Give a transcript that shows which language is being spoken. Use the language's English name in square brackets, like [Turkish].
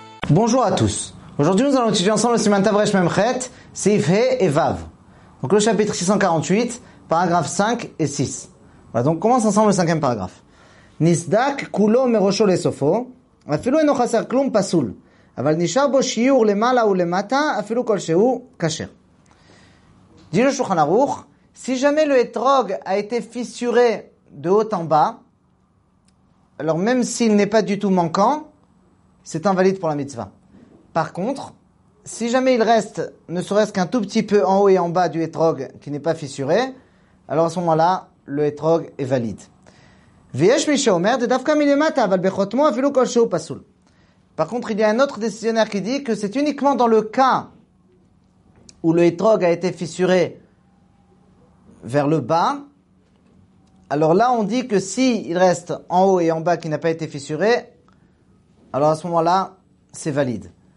[French] Bonjour à tous. Aujourd'hui, nous allons étudier ensemble le Siman Tavresh Memchet, Seif He et Vav. Donc le chapitre 648, paragraphes 5 et 6. Voilà, donc on commence ensemble le cinquième paragraphe. [Hebrew] Nisdak kulo merosho lesofo. אפילו אינו חסר כלום פסול, אבל נשאר בו שיעור למעלה ולמטה, אפילו כלשהו קשר. דינו שולחן ערוך, [French] si jamais le etrog a été fissuré de haut en bas, alors même s'il n'est pas du tout manquant, c'est invalide pour la mitzvah. Par contre, si jamais il reste, ne serait-ce qu'un tout petit peu en haut et en bas du etrog qui n'est pas fissuré, alors à ce moment-là, le etrog est valide. [Hebrew] ויש מי שאומר, זה דווקא מלמטה, אבל בחותמו אפילו כלשהו פסול. [French] Par contre, il y a un autre décisionnaire qui dit que c'est uniquement dans le cas où le etrog a été fissuré vers le bas. Alors là, on dit que s'il reste en haut et en bas qui n'a pas été fissuré, alors à ce moment-là, c'est valide.